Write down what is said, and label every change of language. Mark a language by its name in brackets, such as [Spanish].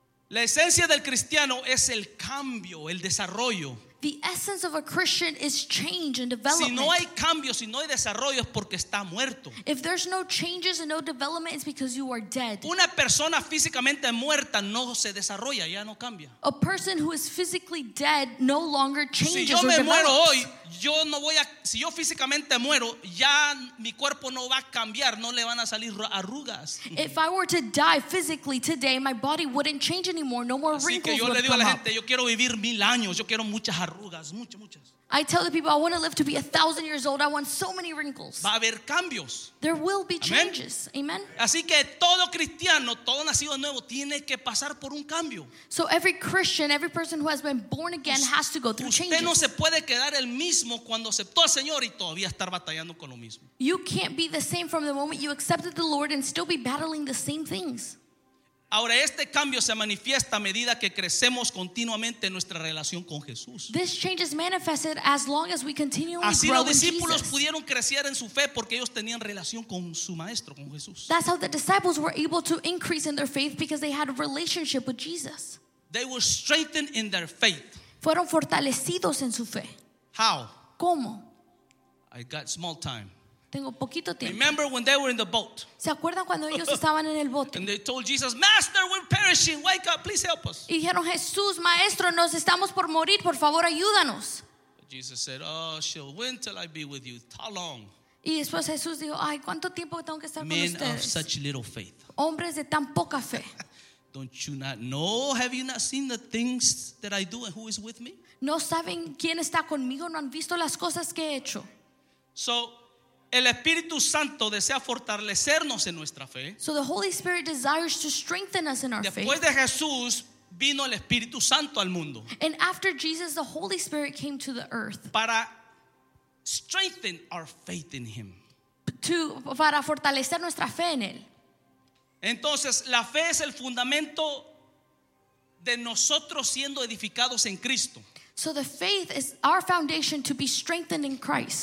[Spanish] La esencia del cristiano es el cambio, el desarrollo. [English] The essence of a Christian is change and development. [Spanish] Si no hay cambios, si no hay desarrollo, es porque está muerto. [English] If there's no changes and no development, it's because you are dead. [Spanish] Una persona físicamente muerta no se desarrolla, ya no cambia. [English] A person who is physically dead no longer changes. [Spanish] Si yo me [English] or [Spanish] muero hoy, yo no voy a, si yo físicamente muero, ya mi cuerpo no va a cambiar, no le van a salir arrugas. [English] If I were to die physically today, my body wouldn't change anymore. No more wrinkles. [Spanish] Así que yo [English] would [Spanish] le digo a la gente, [English] up. [Spanish] Yo quiero vivir mil años, yo quiero muchas arrugas, muchas, muchas. [English] I tell the people I want to live to be 1,000 years old. I want so many wrinkles. [Spanish] Va a haber cambios. [English] There will be changes. Amen. Amen. [Spanish] Así que todo cristiano, todo nacido de nuevo, tiene que pasar por un cambio. [English] So every Christian, every person who has been born again, [Spanish] usted [English] has to go through changes. [Spanish] Usted no se puede quedar el mismo cuando aceptó al Señor y todavía estar batallando con lo mismo. [English] You can't be the same from the moment you accepted the Lord and still be battling the same things. [Spanish] Ahora este cambio se manifiesta a medida que crecemos continuamente en nuestra relación con Jesús. [English] This change is manifested as long as we continually grow in [Spanish] Así los discípulos pudieron crecer en su fe porque ellos tenían relación con su maestro, con Jesús. [English] That's how the disciples were able to increase in their faith because they had a relationship with Jesus. They were strengthened in their faith. [Spanish] Fueron fortalecidos en su fe. [English] How? [Spanish] ¿Cómo? [English] I got small time. [Spanish] Tengo poquito tiempo. [English] Remember when they were in the boat? [Spanish] ¿Se acuerdan cuando ellos estaban en el bote? [English] And they told Jesus, "Master, we're perishing. Wake up, please help us." [Spanish] Y dijeron, "Jesús, maestro, nos estamos por morir, por favor, ayúdanos." [English] Jesus said, "Oh, shall when till I be with you? How long?" [Spanish] Y después Jesús dijo, "Ay, ¿cuánto tiempo tengo que estar [English] men [Spanish] con ustedes?" [English] Men of such little faith. [Spanish] Hombres de tan poca fe. [English] Don't you not know? Have you not seen the things that I do and who is with me? [Spanish] ¿No saben quién está conmigo? ¿No han visto las cosas que he hecho? So el Espíritu Santo desea fortalecernos en nuestra fe. [English] So the Holy Spirit desires to strengthen us in our [Spanish] después [English] faith. [Spanish] Después de Jesús vino el Espíritu Santo al mundo. [English] And after Jesus, the Holy Spirit came to the earth. [Spanish] Para [English] strengthen our faith in him. [Spanish] Para fortalecer nuestra fe en él. Entonces, la fe es el fundamento de nosotros siendo edificados en Cristo. [English] So the faith is our foundation to be strengthened in Christ.